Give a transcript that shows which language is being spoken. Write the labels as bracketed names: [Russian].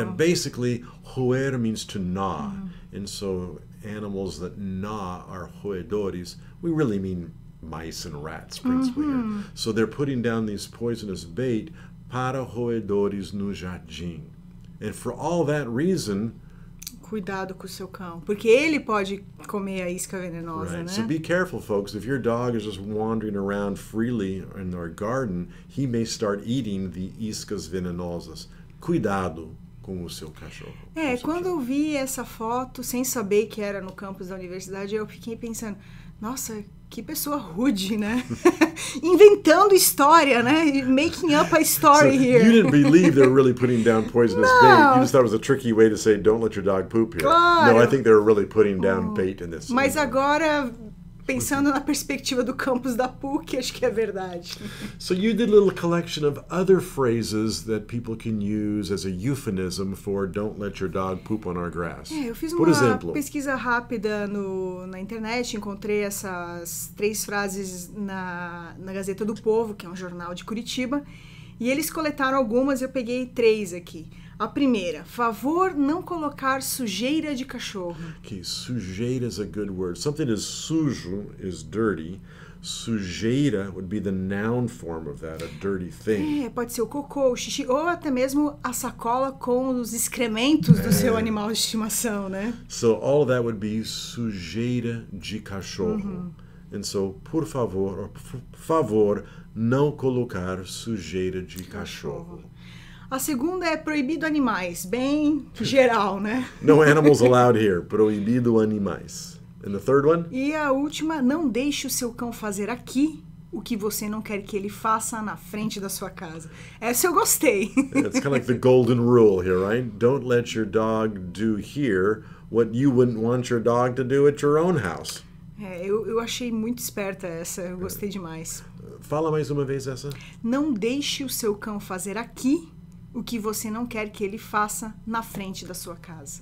[English] Yeah, basically, roer means to gnaw. Uh-huh. And so, animals that gnaw are roedores. We really mean mice and rats, principally. Uh-huh. So, they're putting down these poisonous bait [Portuguese] para roedores no jardim. [English] And for all that reason... [Portuguese] Cuidado com o seu cão, porque ele pode comer a isca venenosa, [English] right. [Portuguese] Né? [English] So be careful, folks. If your dog is just wandering around freely in our garden, he may start eating the iscas venenosas. [Portuguese] Cuidado com o seu cachorro. Quando eu vi essa foto, sem saber que era no campus da universidade, eu fiquei pensando, nossa, que pessoa rude, né? Inventando história, né? [English] Making up a story so here. You didn't believe they were really putting down poisonous no. bait. You just thought it was a tricky way to say, don't let your dog poop here. [Portuguese] Claro. [English] No, I think they were really putting down bait in this. [Portuguese] Mas agora, Pensando na perspectiva do campus da PUC, acho que é verdade. [English] So you did a little collection of other phrases that people can use as a euphemism for don't let your dog poop on our grass. [Portuguese] É, eu fiz uma pesquisa rápida na internet, encontrei essas três frases na Gazeta do Povo, que é um jornal de Curitiba, e eles coletaram algumas, eu peguei três aqui. A primeira, favor não colocar sujeira de cachorro. [English] Okay, sujeira is a good word. Something is sujo, is dirty. Sujeira would be the noun form of that, a dirty thing. [Portuguese] É, pode ser o cocô, o xixi, ou até mesmo a sacola com os excrementos do seu animal de estimação, né? [English] So all of that would be sujeira de cachorro. [Portuguese] Uhum. [English] And so, [Portuguese] por favor, or favor, não colocar sujeira de cachorro. A segunda é proibido animais, bem geral, né? [English] No animals allowed here. [Portuguese] Proibido animais. [English] And the third one? [Portuguese] E a última, não deixe o seu cão fazer aqui o que você não quer que ele faça na frente da sua casa. Essa eu gostei. [English] It's kind of like the golden rule here, right? Don't let your dog do here what you wouldn't want your dog to do at your own house. [Portuguese] É, eu achei muito esperta essa, eu gostei demais. Fala mais uma vez essa. Não deixe o seu cão fazer aqui o que você não quer que ele faça na frente da sua casa.